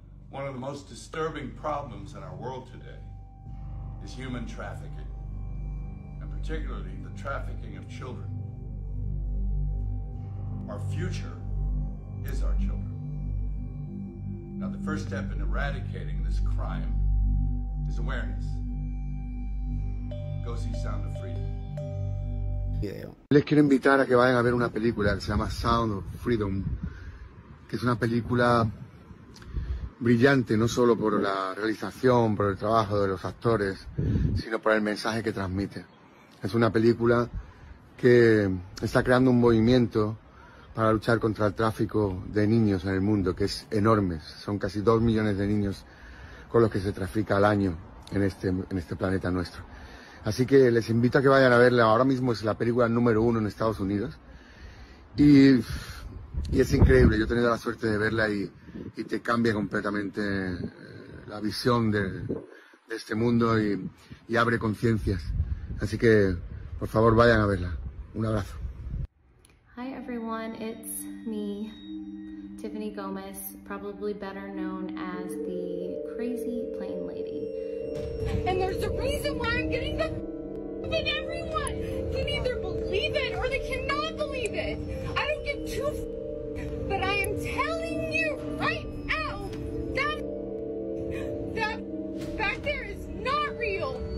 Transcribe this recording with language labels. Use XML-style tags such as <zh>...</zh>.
<en>One of the most disturbing problems in our world today is human trafficking, and particularly the trafficking of children. Our future is our children. Now, the first step in eradicating this crime is awareness. Go see Sound of Freedom.</en> <es>Video. Les quiero invitar a que vayan a ver una película que se llama Sound of Freedom, que es una película brillante, no solo por la realización, por el trabajo de los actores, sino por el mensaje que transmite. Es una película que está creando un movimiento para luchar contra el tráfico de niños en el mundo, que es enorme. Son casi 2 millones de niños con los que se trafica al año en este planeta nuestro. Así que les invito a que vayan a verla. Ahora mismo es la película número uno en Estados Unidos. Y es increíble. Yo he tenido la suerte de verla y te cambia completamente la visión de este mundo y abre conciencias. Así que, por favor, vayan a verla. Un abrazo.</es> <en>Hi everyone, it's me, Tiffany Gomez, probably better known as the Crazy Plane Lady. And there's a reason why I'm getting the f***ed in everyone! Can either believe it or they cannot believe it! I don't give two f***, but I am telling you right now, that back there is not real!</en>